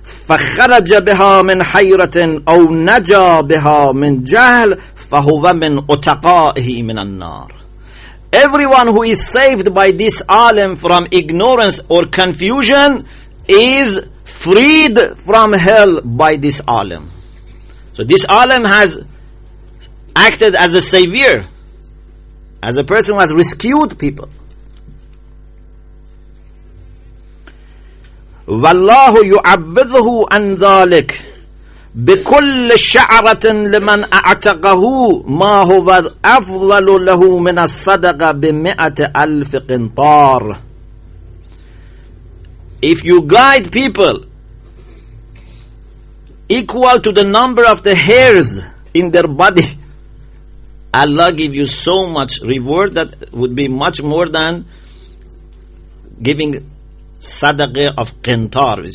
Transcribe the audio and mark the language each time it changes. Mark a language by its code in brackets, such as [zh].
[ar] فخرج بها من حيرة أو نجا بها من جهل فهو من أتقائه من النار. [en] Everyone who is saved by this alim from ignorance or confusion is freed from hell by this alim. So this alim has acted as a savior, as a person who has rescued people. [ar] والله يعوضه عن ذلك بكل شعرة لمن أعتقه ما هو أفضل له من الصدقة بمئة ألف قنطار. [en] If you guide people equal to the number of the hairs in their body, Allah give you so much reward that would be much more than giving sadaqah of qintar.